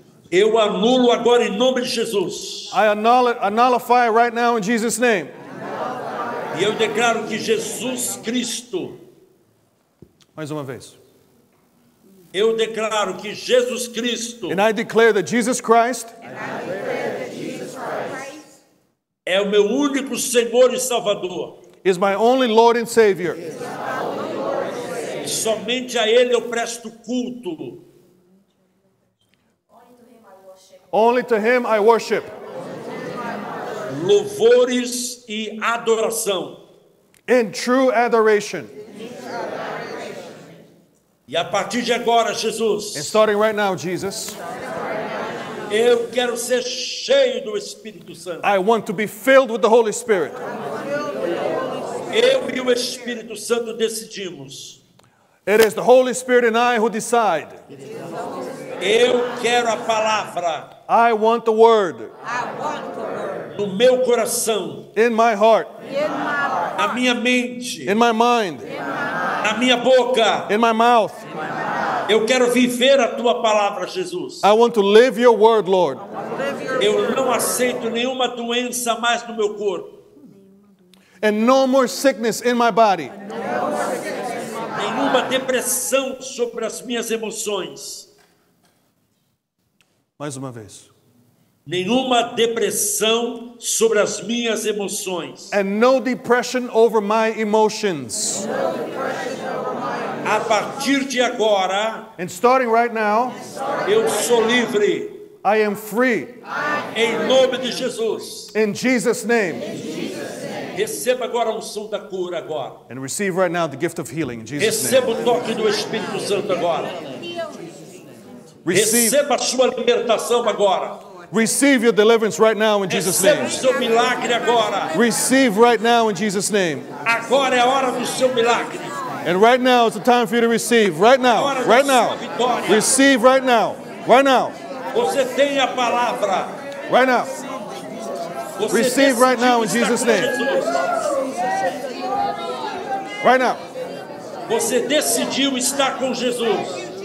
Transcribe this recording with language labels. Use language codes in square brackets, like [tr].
[pt] Eu anulo agora em nome de Jesus. [en] I nullify right now in Jesus' name. [pt] E eu declaro que Jesus Cristo. Mais uma vez. Eu declaro que Jesus Cristo. [en] And I declare that Jesus Christ. [pt] É o meu único Senhor e Salvador. [en] Is my only Lord and Savior. [pt] E somente a Ele eu presto culto. [en] Only to Him I worship. [pt] Louvores e adoração. [en] In true adoration. [pt] E a partir de agora, Jesus. [en] And starting right now, Jesus. [pt] Eu quero ser cheio do Espírito Santo. [en] I want to be filled with the Holy Spirit. [pt] Eu e o Espírito Santo decidimos. [en] It is the Holy Spirit and I who decide. [pt] Eu quero a palavra. [en] I want the word. I want the word. [pt] No meu coração. [en] In my heart. In my heart. [pt] Na minha mente. [en] In my mind. [pt] Na minha boca. [en] In my mouth. [pt] Eu quero viver a tua palavra, Jesus. [en] I want to live your word, Lord. [pt] Eu não aceito nenhuma doença mais no meu corpo. [en] And no more sickness in my body. [pt] Nenhuma depressão sobre as minhas emoções. Mais uma vez. Nenhuma depressão sobre as minhas emoções. [en] And no depression over my emotions. [pt] A partir de agora. [en] And starting right now. [pt] Eu sou livre. [en] I am free. [pt] Em nome de Jesus. [en] In Jesus' name. [pt] Receba agora a unção da cura agora. [en] And receive right now the gift of healing in Jesus' name. [pt] Receba o toque do Espírito Santo agora. Receba a sua libertação agora. [en] Receive your deliverance right now in Jesus' name. [pt] Receba o seu milagre agora. [en] Receive right now in Jesus' name. [pt] Agora é a hora do seu milagre. [en] And right now is the time for you to receive. Right now. Right now. Receive right now. Right now. [pt] Você tem a palavra. [en] Right now. Receive right now in Jesus' name. Right now. [pt] Você decidiu estar com Jesus.